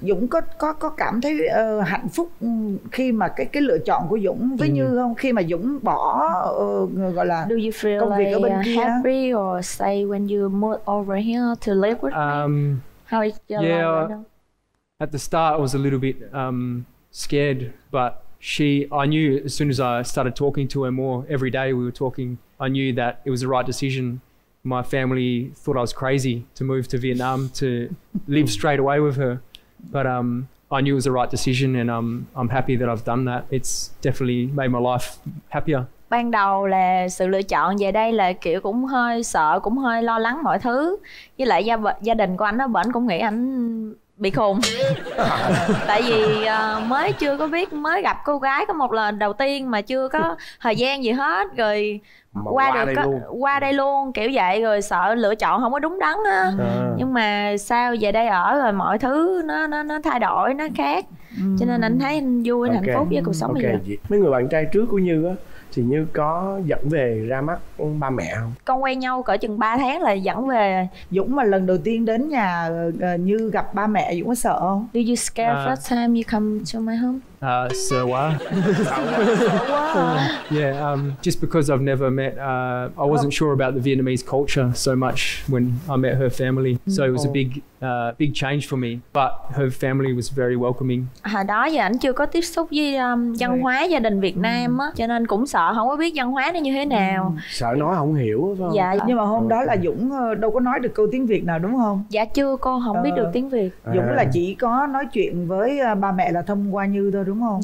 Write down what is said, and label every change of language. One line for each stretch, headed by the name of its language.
Vietnamese: Dũng có cảm thấy hạnh phúc khi mà cái lựa chọn của Dũng với Như không? Khi mà Dũng bỏ gọi là công việc
English: like
Vietnamese: ở bên kia.
English: Happy or say when you move over here to live with me? How is your life? At the start, I was a little bit scared, but I knew as soon as I started talking to her more every day, we were talking. I knew that it was the right decision. My family thought I was crazy to move to Vietnam to live straight away with her, but I knew it was the right decision, and I'm happy that I've done that. It's definitely made my life happier.
Vietnamese: ban đầu là sự lựa chọn về đây là kiểu cũng hơi sợ, cũng hơi lo lắng mọi thứ. Với lại gia đình của anh đó, bển cũng nghĩ anh bị khùng. Tại vì mới chưa có biết, mới gặp cô gái có một lần đầu tiên mà chưa có thời gian gì hết. Rồi qua đây luôn kiểu vậy, rồi sợ lựa chọn không có đúng đắn á. Nhưng mà sao về đây ở rồi mọi thứ nó thay đổi, nó khác. Cho nên anh thấy anh vui, anh hạnh phúc với cuộc sống này. Mấy người bạn trai trước của Như á, thì Như có dẫn về ra mắt ba mẹ không? Con quen nhau cỡ chừng 3 tháng là dẫn về. Dũng mà lần đầu tiên đến nhà Như gặp ba mẹ, Dũng có sợ không?
English: Do you scare first time you come to my home?
Vietnamese: Sợ quá. Sợ quá.
English: Yeah, just because I've never met, I wasn't sure about the Vietnamese culture so much when I met her family. So it was a big change for me. But her family was very welcoming.
Vietnamese: Hồi đó giờ anh chưa có tiếp xúc với văn hóa gia đình Việt Nam á, cho nên cũng sợ không có biết văn hóa nó như thế nào. Sợ nói không hiểu phải không? Dạ. Nhưng mà hôm đó là Dũng đâu có nói được câu tiếng Việt nào đúng không? Dạ chưa, con không biết được tiếng Việt. Dũng là chỉ có nói chuyện với ba mẹ là thông qua Như thôi đúng không?